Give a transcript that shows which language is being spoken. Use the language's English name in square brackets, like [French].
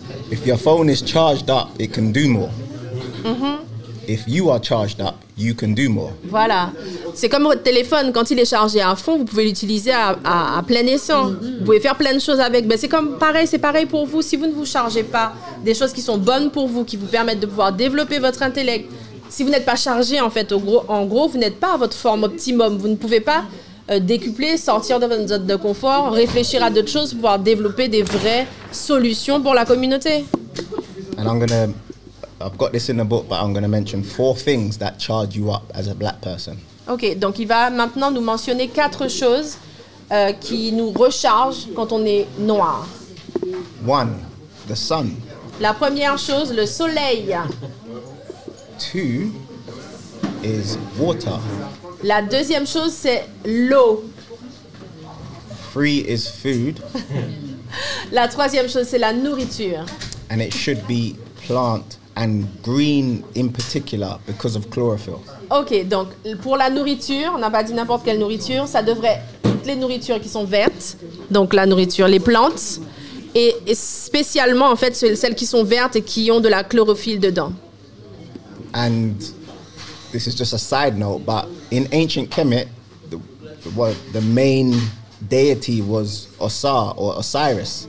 [English] If your phone is charged up, it can do more. Mm-hmm. If you are charged up, you can do more. [French] Voilà. C'est comme votre téléphone, quand il est chargé à fond, vous pouvez l'utiliser à plein essor. Mm-hmm. Vous pouvez faire plein de choses avec. Mais c'est pareil pour vous. Si vous ne vous chargez pas des choses qui sont bonnes pour vous, qui vous permettent de pouvoir développer votre intellect, si vous n'êtes pas chargé, en fait, en gros, vous n'êtes pas à votre forme optimum. Vous ne pouvez pas décupler, sortir de votre zone de confort, réfléchir à d'autres choses, pouvoir développer des vraies solutions pour la communauté. [English] And I've got this in the book, but I'm gonna mention four things that charge you up as a black person. [French] Ok, donc il va maintenant nous mentionner quatre choses qui nous rechargent quand on est noir. [English] One, the sun. [French] La première chose, le soleil. [English] Two is water. [French] La deuxième chose, c'est l'eau. [English] Three is food. [French] La troisième chose, c'est la nourriture. [English] And it should be plant and green in particular because of chlorophyll. [French] Ok, donc pour la nourriture, on n'a pas dit n'importe quelle nourriture, ça devrait toutes les nourritures qui sont vertes, donc la nourriture, les plantes, et spécialement en fait celles qui sont vertes et qui ont de la chlorophylle dedans. [English] And this is just a side note, but in ancient Kemet, the main deity was Osar or Osiris.